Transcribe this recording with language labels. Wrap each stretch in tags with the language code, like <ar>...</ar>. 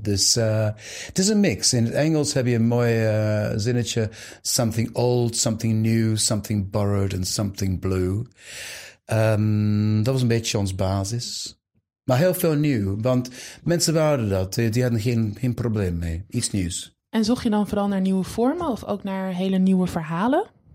<nl>Dus het is een mix. In het Engels heb je een mooi zinnetje.</nl> <en>Something old, something new, something borrowed and something blue.</en> <nl>Dat was een beetje ons basis. Maar heel veel nieuw, want mensen waren dat. Die hadden geen probleem mee. Iets nieuws. En zocht je dan vooral naar nieuwe vormen of ook naar hele nieuwe verhalen?</nl>